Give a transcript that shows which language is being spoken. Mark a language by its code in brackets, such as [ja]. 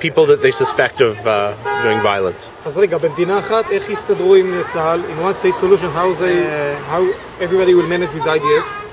[en] People that they suspect of doing violence. [he] אז רגע, במדינה אחת, איך יסתדרו עם צהל? [en] In one state solution, how everybody will manage with IDF?